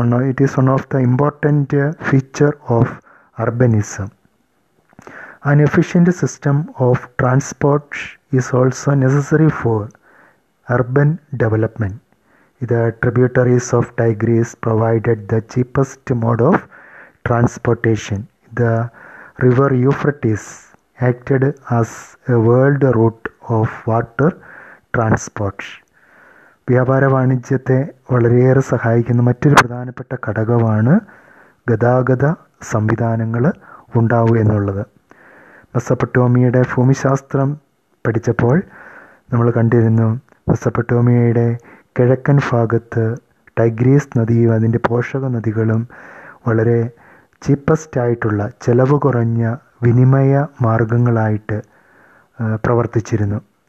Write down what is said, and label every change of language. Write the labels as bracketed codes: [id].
[en] It is one of the important feature of urbanism. An efficient system of transport is also necessary for urban development. The tributaries of Tigris provided the cheapest mode of transportation. The river Euphrates acted as a world route of water transport. [ml] വ്യാപാര വാണിജ്യത്തെ വളരെയേറെ സഹായിക്കുന്ന മറ്റൊരു പ്രധാനപ്പെട്ട ഘടകമാണ് ഗതാഗത സംവിധാനങ്ങൾ ഉണ്ടാവുക എന്നുള്ളത്. മെസപ്പൊട്ടേമിയയുടെ ഭൂമിശാസ്ത്രം പഠിച്ചപ്പോൾ നമ്മൾ കണ്ടിരുന്നു, മെസപ്പൊട്ടേമിയയുടെ കിഴക്കൻ ഭാഗത്ത് ടൈഗ്രീസ് നദിയും അതിൻ്റെ പോഷക നദികളും വളരെ ചീപ്പസ്റ്റ് ആയിട്ടുള്ള, ചിലവ് കുറഞ്ഞ വിനിമയ മാർഗങ്ങളായിട്ട് പ്രവർത്തിച്ചിരുന്നു.